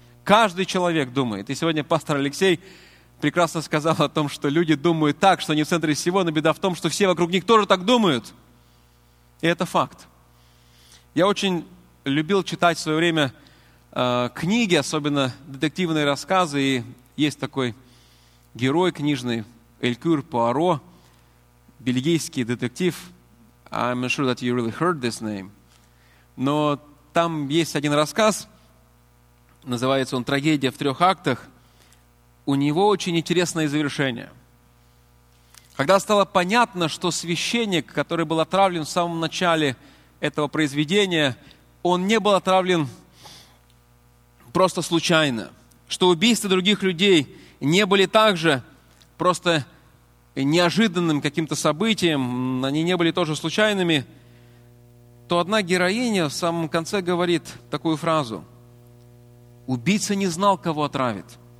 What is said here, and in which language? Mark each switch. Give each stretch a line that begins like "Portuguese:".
Russian: Каждый человек думает. И сегодня пастор Алексей прекрасно сказал о том, что люди думают так, что они в центре всего, но беда в том, что все вокруг них тоже так думают. И это факт. Я очень любил читать в свое время книги, особенно детективные рассказы. И есть такой герой книжный Элькюр Пуаро, бельгийский детектив.
English: I'm not sure that you really heard this name.
Russian: Но там есть один рассказ, называется он «Трагедия в трех актах». У него очень интересное завершение. Когда стало понятно, что священник, который был отравлен в самом начале этого произведения, он не был отравлен просто случайно, что убийства других людей не были также просто неожиданным каким-то событием, они не были тоже случайными, то одна героиня в самом конце говорит такую фразу: «Убийца не знал, кого отравит.